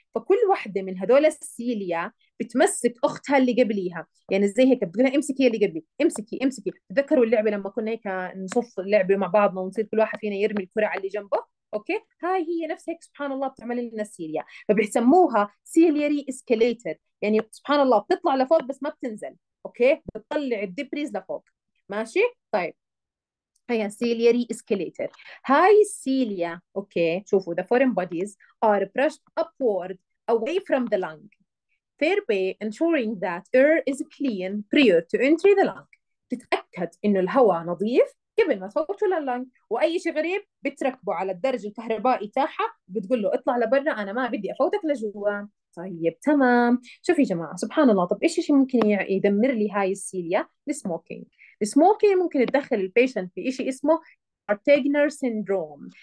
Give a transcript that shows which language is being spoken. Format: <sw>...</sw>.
<ar>فكل وحده من هذول السيليا بتمسك اختها اللي قبليها، يعني زي هيك بتقول لها امسكي اللي قبلي امسكي امسكي. تذكروا اللعبه لما كنا هيك نصف اللعبه مع بعضنا ونصير كل واحد فينا يرمي الكره على اللي جنبه؟ اوكي، هاي هي نفس هيك سبحان الله بتعمل لنا السيليا، فبيسموها سيلياري اسكليتر، يعني سبحان الله بتطلع لفوق بس ما بتنزل، اوكي، بتطلع الدبريز لفوق.</ar> <en>ماشي؟ طيب هي سيلياري اسكليتر، هاي السيليا اوكي شوفوا the foreign bodies are brushed upward away from the lung thereby ensuring that air is clean prior to entry the lung، تتأكد انه الهواء نظيف</en> <ar>قبل ما صوتوا للاين، واي شيء غريب بتركبه على الدرج الكهربائي تاعها، بتقول له اطلع لبرا انا ما بدي افوتك لجوا. طيب تمام. شوفي يا جماعه سبحان الله، طب ايش شيء ممكن يدمر لي هاي السيليا؟ السموكينج. السموكينج ممكن تدخل البيشنت في شيء اسمه كارتيجنر سيندروم.</ar>